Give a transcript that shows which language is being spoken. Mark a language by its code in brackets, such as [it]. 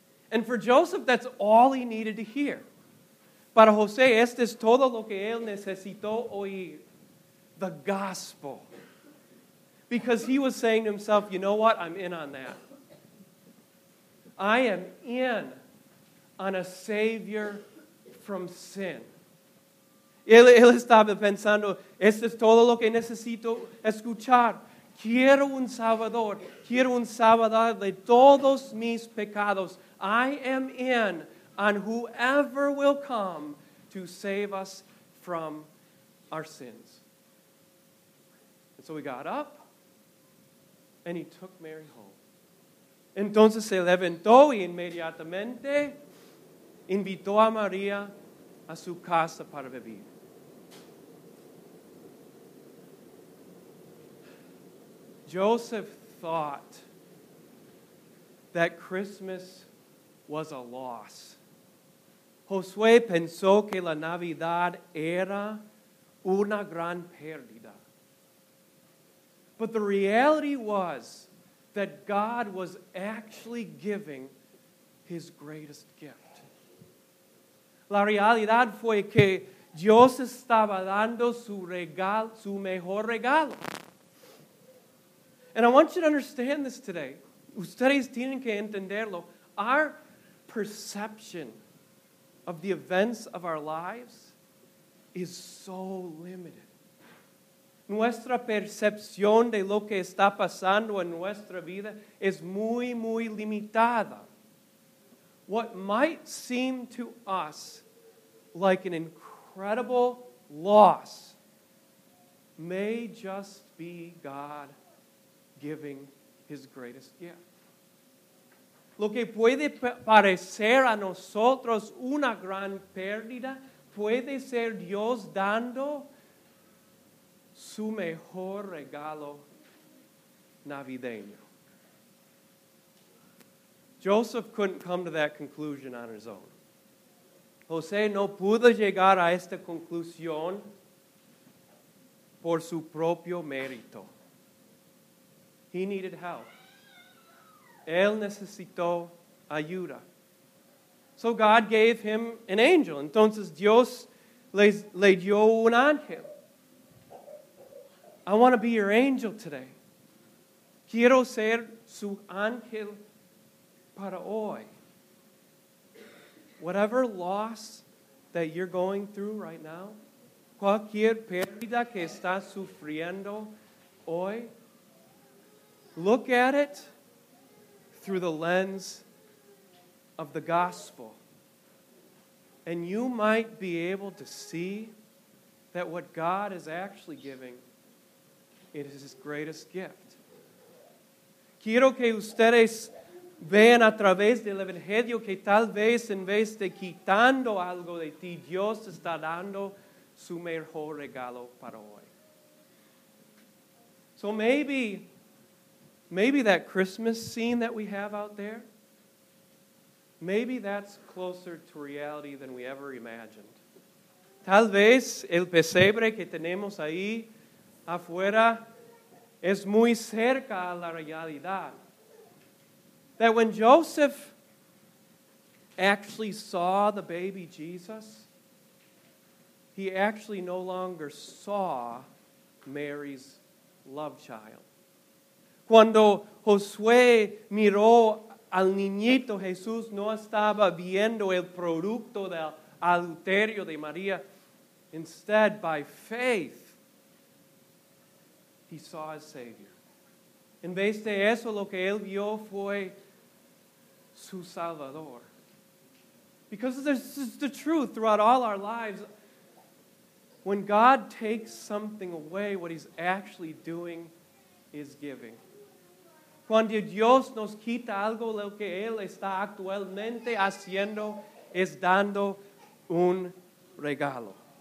[en] And for Joseph, that's all he needed to hear. [es] Para José, este es todo lo que él necesitó oír. [en] The gospel. Because he was saying to himself, you know what? I'm in on that. I am in on a Savior from sin. [es] Él estaba pensando, este es todo lo que necesito escuchar. Quiero un Salvador de todos mis pecados. [en] I am in on whoever will come to save us from our sins. And so he got up, and he took Mary home. [es] Entonces se levantó y inmediatamente invitó a María a su casa para beber. [en] Joseph thought that Christmas was a loss. [es] Josué pensó que la Navidad era una gran pérdida. [en] But the reality was that God was actually giving his greatest gift. [es] La realidad fue que Dios estaba dando su mejor regalo. [en] And I want you to understand this today. [es] Ustedes tienen que entenderlo. [en] Our perception of the events of our lives is so limited. [es] Nuestra percepción de lo que está pasando en nuestra vida es muy, muy limitada. [en] What might seem to us like an incredible loss may just be God giving his greatest gift. [es] Lo que puede parecer a nosotros una gran pérdida puede ser Dios dando su mejor regalo navideño. [en] Joseph couldn't come to that conclusion on his own. [es] José no pudo llegar a esta conclusión por su propio mérito. [en] He needed help. [es] Él necesitó ayuda. [en] So God gave him an angel. [es] Entonces Dios le dio un ángel. [en] I want to be your angel today. [es] Quiero ser su ángel para hoy. [en] Whatever loss that you're going through right now, [es] cualquier pérdida que estás sufriendo hoy, [en] look at it through the lens of the gospel. And you might be able to see that what God is actually giving, it is his greatest gift. [es] Quiero que ustedes vean a través del Evangelio que tal vez en vez de quitando algo de ti, Dios está dando su mejor regalo para hoy. [en] So maybe that Christmas scene that we have out there, maybe that's closer to reality than we ever imagined. [es] Tal vez el pesebre que tenemos ahí afuera es muy cerca a la realidad. [en] That when Joseph actually saw the baby Jesus, he actually no longer saw Mary's love child. [es] Cuando Josué miró al niñito Jesús, no estaba viendo el producto del adulterio de María. [en] Instead, by faith, he saw his Savior. [es] En vez de eso, lo que él vio fue su Salvador. [en] Because this is the truth throughout all our lives. When God takes something away, what he's actually doing is giving. [es] Cuando Dios nos quita algo, lo que Él está actualmente haciendo es dando un regalo.